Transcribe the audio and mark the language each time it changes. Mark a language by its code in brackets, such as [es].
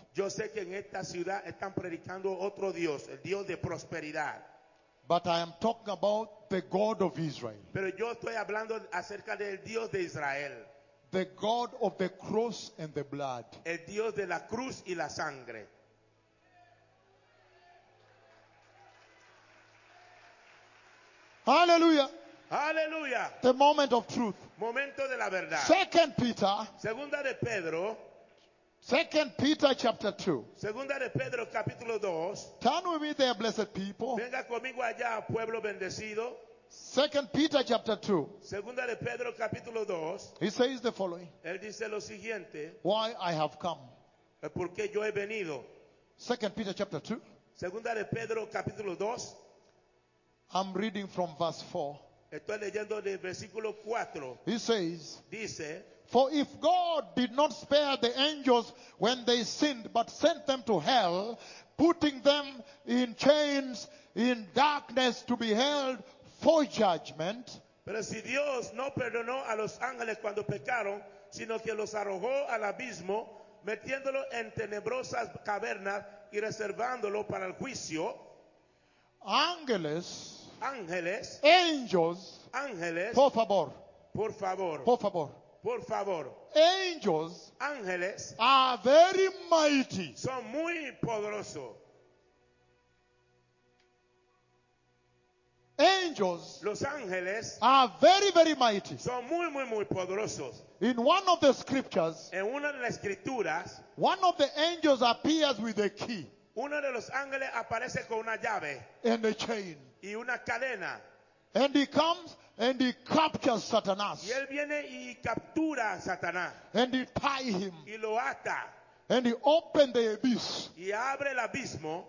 [es] Yo sé que en esta ciudad están predicando otro Dios, el Dios de prosperidad. [en] But I am talking about the God of Israel. [es] Pero yo estoy hablando acerca del Dios de Israel. [en] The God of the cross and the blood. [es] El Dios de la cruz y la sangre. [en] Hallelujah. Hallelujah. The moment of truth. [es] Momento de la verdad. [en] Second Peter. [es] Segunda de Pedro. [en] Second Peter chapter 2. [es] Segunda de Pedro capítulo 2. [en] Turn with me there, blessed people. [es] Venga conmigo allá, pueblo bendecido. [en] Second Peter chapter 2. [es] Segunda de Pedro capítulo 2. [en] He says the following. [es] Él dice lo siguiente. [en] Why I have come. [es] ¿Por qué yo he venido? [en] Second Peter chapter 2. [es] Segunda de Pedro capítulo 2. [en] I'm reading from verse 4. [es] Estoy leyendo del versículo 4. [en] He says, [es] dice, [en] for if God did not spare the angels when they sinned, but sent them to hell, putting them in chains, in darkness to be held for judgment. [es] Pero si Dios no perdonó a los ángeles cuando pecaron, sino que los arrojó al abismo, metiéndolos en tenebrosas cavernas y reservándolos para el juicio. Ángeles. Ángeles, [en] angels, [es] ángeles, por favor, por favor, por favor, por favor, [en] angels, [es] ángeles, [en] are very mighty, [es] son muy poderosos, [en] angels, [es] los ángeles, [en] are very very mighty, [es] son muy muy muy poderosos. [en] In one of the scriptures, [es] en una de las escrituras, [en] one of the angels appears with a key, [es] uno de los ángeles aparece con una llave, [en] and a chain. [es] Y una cadena. [en] And he comes and he captures Satanás. [es] Y él viene y captura a Satanás. [en] And he ties him. [es] Y lo ata. [en] And he opens the abyss. [es] Y abre el abismo.